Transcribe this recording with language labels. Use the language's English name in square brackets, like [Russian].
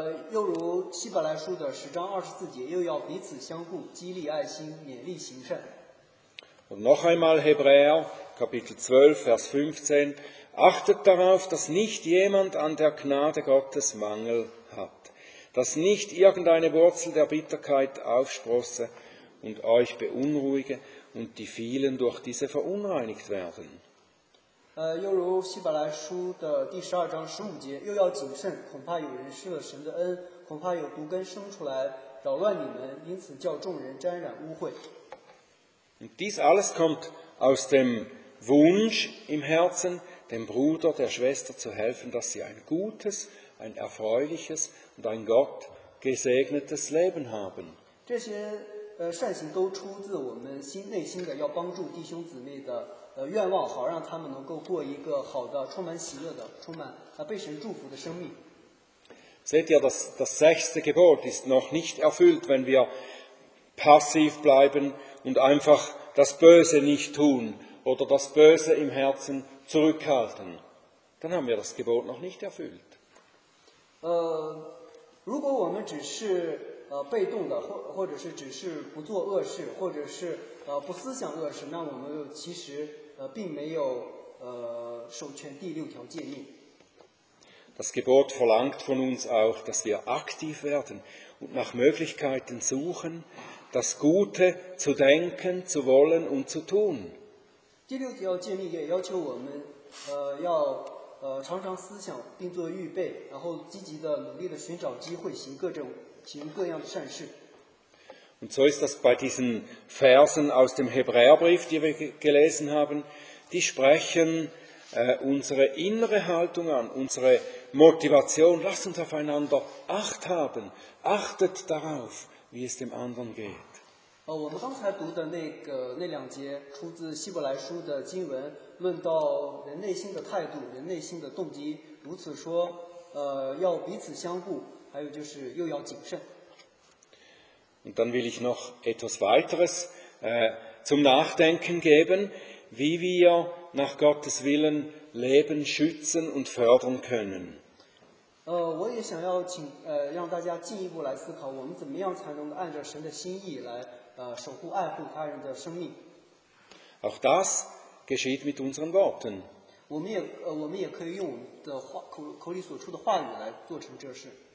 [Chinese] 又如希伯来书的10:24，又要彼此相互激励爱心，勉励行善。 [German] Und noch einmal Hebräer, Kapitel 12, Vers 15, achtet darauf, dass nicht jemand an der Gnade Gottes Mangel hat, dass nicht irgendeine Wurzel der Bitterkeit aufsprosse und euch beunruhige und die vielen durch diese verunreinigt werden. [Chinese] 又如希伯来书的第十二章十五节，又要谨慎，恐怕有人失了神的恩，恐怕有毒根生出来扰乱你们，因此叫众人沾染污秽。 [German] Dies alles kommt aus dem Wunsch im Herzen, dem Bruder, der Schwester zu helfen, dass sie ein gutes, ein erfreuliches und ein Gott gesegnetes Leben haben. [Chinese] 这些善行都出自我们心内心的要帮助弟兄姊妹的愿望，好让他们能够过一个好的、充满喜乐的、充满被神祝福的生命。 [German] Seht ihr, das sechste Gebot ist noch nicht erfüllt, wenn wir passiv bleiben und einfach das Böse nicht tun oder das Böse im Herzen zurückhalten. Dann haben wir das Gebot noch nicht erfüllt. [Chinese] 如果我们只是被动的，或者是只是不做恶事，或者是不思想恶事，那我们其实并没有守全第六条诫命。 [German] Das Gebot verlangt von uns auch, dass wir aktiv werden und nach Möglichkeiten suchen, das Gute zu denken, zu wollen und zu tun. [Chinese] 第六条诫命也要求我们要常常思想并做预备，然后积极的努力的寻找机会，行各样的善事。 [German] Und so ist das bei diesen Versen aus dem Hebräerbrief, die wir gelesen haben, die sprechen unsere innere Haltung an, unsere Motivation. Lasst uns aufeinander Acht haben, achtet darauf, wie es dem anderen geht. [Chinese] 我们刚才读的那两节出自希伯来书的经文，论到人内心的态度、人内心的动机，如此说，要彼此相顾，还有就是又要谨慎。 [German] Und dann will ich noch etwas weiteres zum Nachdenken geben, wie wir nach Gottes Willen Leben schützen und fördern können. [Chinese] 我也想要请让大家进一步来思考，我们怎么样才能按照神的心意来守护爱护他人的生命。 [German] Auch das geschieht mit unseren Worten. [Chinese] 我们也可以用我们的话口里所出的话语来做成这事。